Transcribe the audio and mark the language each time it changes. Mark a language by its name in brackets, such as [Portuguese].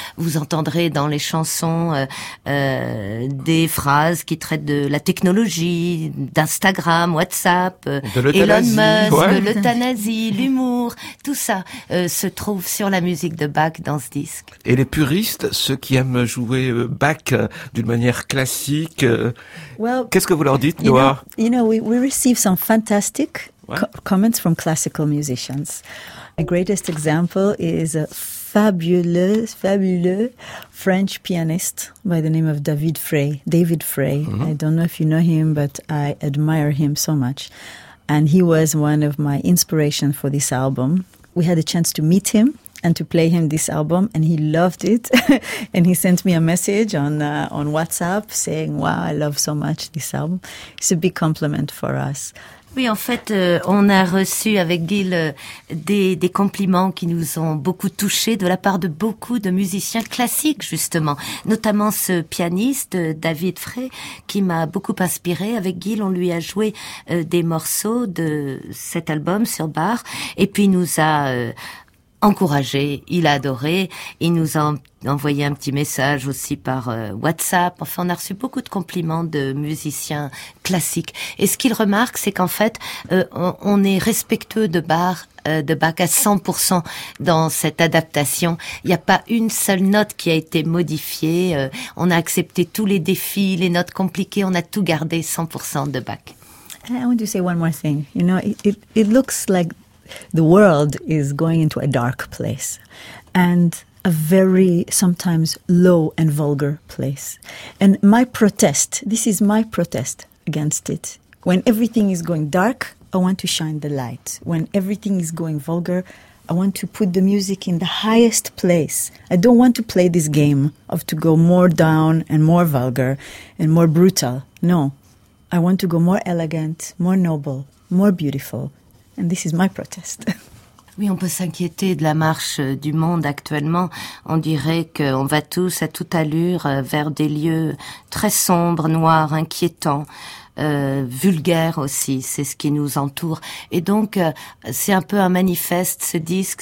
[French] Vous entendrez dans les chansons des phrases qui traitent de la technologie, d'Instagram, WhatsApp, Elon Musk, ouais. De l'euthanasie, l'humour, tout ça se trouve sur la musique de Bach dans ce disque. Et les puristes, ceux qui aiment jouer Bach d'une manière classique, well, qu'est-ce que vous leur dites, Noah? [English] You know, we receive some fantastic comments from classical musicians. The greatest example is a fabulous French pianist by the name of David Frey. Mm-hmm. I don't know if you know him, but I admire him so much. And he was one of my inspiration for this album. We had a chance to meet him and to play him this album, and he loved it. And he sent me a message on WhatsApp saying, wow, I love so much this album. It's a big compliment for us. [French] Oui, en fait, on a reçu avec Gil des compliments qui nous ont beaucoup touchés de la part de beaucoup de musiciens classiques, justement. Notamment ce pianiste, David Frey, qui m'a beaucoup inspiré. Avec Gil, on lui a joué des morceaux de cet album sur Bach. Et puis, il nous a encouragé, il a adoré, il nous a envoyé un petit message aussi par WhatsApp. Enfin, on a reçu beaucoup de compliments de musiciens classiques. Et ce qu'il remarque, c'est qu'en fait, on est respectueux de Bach à 100% dans cette adaptation. Il n'y a pas une seule note qui a été modifiée. On a accepté tous les défis, les notes compliquées. On a tout gardé 100% de Bach. [English] I want to say one more thing. You know, it looks like the world is going into a dark place and a very sometimes low and vulgar place. And this is my protest against it. When everything is going dark, I want to shine the light. When everything is going vulgar, I want to put the music in the highest place. I don't want to play this game of to go more down and more vulgar and more brutal. No, I want to go more elegant, more noble, more beautiful. And this is my protest. [French] Oui, on peut s'inquiéter de la marche du monde actuellement. On dirait qu'on va tous à toute allure vers des lieux très sombres, noirs, inquiétants, vulgaires aussi. C'est ce qui nous entoure. Et donc, c'est un peu un manifeste, ce disque.